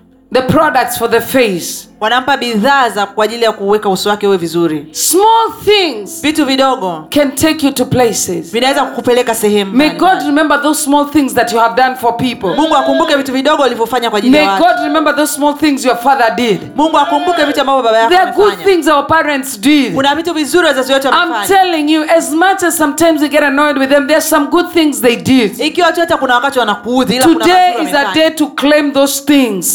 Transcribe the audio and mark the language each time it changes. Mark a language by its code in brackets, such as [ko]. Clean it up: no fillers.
[en] the products for the face. [sw] Wanampa bidhaa za kwa ajili ya kuweka uso wake uwe vizuri. [en] Small things. [sw] Vitu vidogo. [en] Can take you to places. [sw] Vinaweza kukupeleka sehemu. [en] May God remember those small things that you have done for people. [sw] Mungu akumbuke vitu vidogo ulivyofanya kwa ajili ya watu. [en] May God remember those small things your father did. [sw] Mungu akumbuke vitu ambavyo baba yako amefanya. [en] The good things our parents did. [sw] Kuna vitu vizuri wazazi wetu wamefanya. [en] I'm telling you, as much as sometimes we get annoyed with them, there's some good things they did. [sw] Ikiwa tu hata kuna wakati wanakuudhi ila kuna mambo mengi. [en] Today is a day to claim those things.